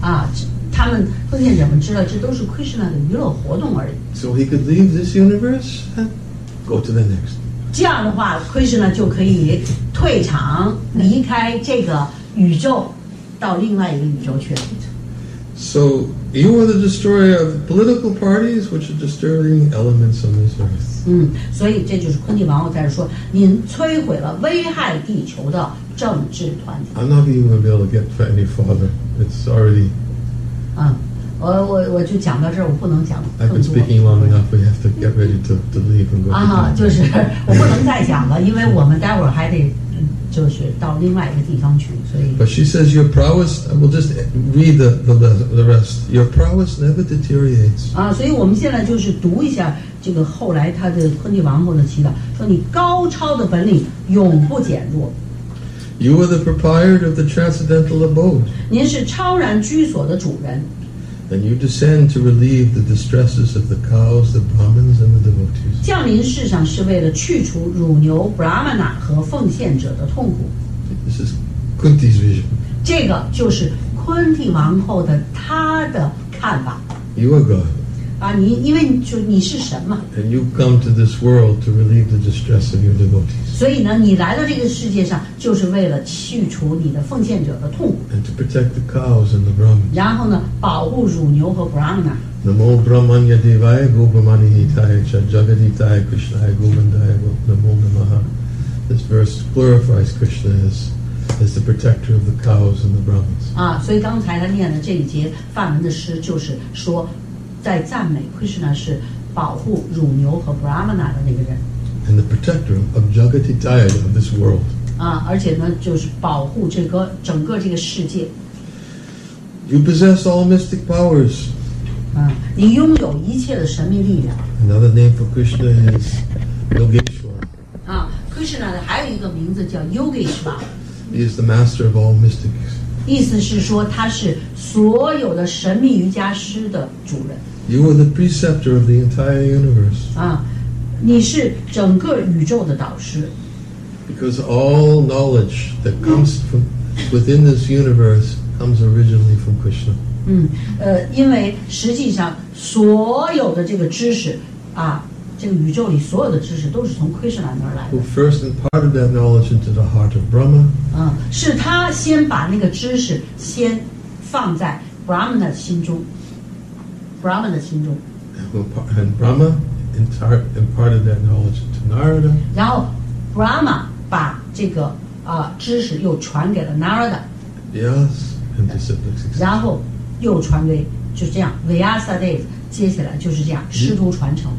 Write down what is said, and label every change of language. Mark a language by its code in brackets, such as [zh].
[zh] 啊，他们奉献者们知道这都是 Krishna 的娱乐活动而已。 [en] So he could leave this universe and go to the next. [zh] 这样的话 ，Krishna 就可以退场，离开这个宇宙，到另外一个宇宙去了。 [en] So you are the destroyer of political parties, which are disturbing elements on this earth. [zh] 所以这就是昆蒂王后在说，您摧毁了危害地球的政治团体。 [en] I'm not even going to be able to get any farther. It's already. [zh] 我就讲到这儿，我不能讲更多。 [en] I've been speaking long enough. We have to get ready to leave and go. [zh] 啊，就是我不能再讲了，因为我们待会儿还得。就是到另外一个地方去，所以。 [en] But she says your prowess. We'll just read the rest. Your prowess never deteriorates. [zh] 啊，所以我们现在就是读一下这个后来他的昆蒂王后的祈祷，说你高超的本领永不减弱。 [en] You are the proprietor of the transcendental abode. [zh] 您是超然居所的主人。 [en] And you descend to relieve the distresses of the cows, the Brahmins, and the devotees. [zh] 降临世上是为了去除乳牛、Brahmana 和奉献者的痛苦。 [en] This is Kunti's vision. [zh] 这个就是昆蒂王后的她的看法。 [en] You are God. [zh] 啊，你因为就你是神嘛。 [en] And you come to this world to relieve the distress of your devotees. [zh] 所以呢，你来到这个世界上就是为了去除你的奉献者的痛苦。 [en] And to protect the cows and the Brahmins. [zh] 然后呢，保护乳牛和 Brahmana。 [sa] Namo Brahmanya Devaya Gopamanihi Taya Jagaditaya Krishnaya Govindaya Namo Namaha. [en] This verse glorifies Krishna as the protector of the cows and the Brahmins. [zh] 啊，所以刚才他念的这一节梵文的诗就是说。在赞美 Krishna 是保护乳牛和 Brahmana 的那个人。 [en] And the protector of Jagatitaya of this world. [zh] 啊，而且呢，就是保护这个整个这个世界。 [en] You possess all mystic powers. [zh] 啊，你拥有一切的神秘力量。 [en] Another name for Krishna is Yogeshwar. [zh] 啊 ，Krishna 的还有一个名字叫 Yogeshwar. [en] He is the master of all mystics. [zh] 意思是说，他是所有的神秘瑜伽师的主人。 [en] You are the preceptor of the entire universe. [zh] 啊。你是整个宇宙的导师。 [en] Because all knowledge that comes from within this universe comes originally from Krishna. [zh] 嗯，因为实际上所有的这个知识啊，这个宇宙里所有的知识都是从 Krishna 那儿来的。 [en] Who first imparted that knowledge into the heart of Brahma? [zh] 嗯，是他先把那个知识先放在 Brahma 的心中 ，Brahma 的心中。 [en] And Brahma. Imparted that knowledge to Narada. [zh] 然后 ，Brahma 把这个知识又传给了 Narada. [en] Yes, and to siblings. [zh] 然后又传给就这样 Vyasa Dev. 接下来就是这样师徒传承。